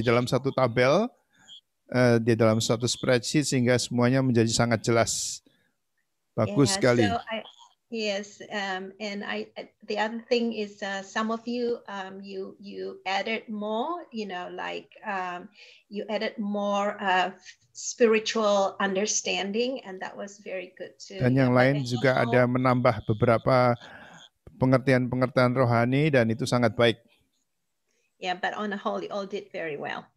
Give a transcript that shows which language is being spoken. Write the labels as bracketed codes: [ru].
[id] di dalam satu tabel, di dalam satu spreadsheet sehingga semuanya menjadi sangat jelas. Bagus [en] Yeah, [id] sekali. [en] So yes, and I. The other thing is, some of you, you added more. You know, like you added more spiritual understanding, and that was very good too. [id] Dan yang lain juga ada menambah beberapa pengertian-pengertian rohani, dan itu sangat baik. [en] Yeah, but on the whole, you all did very well.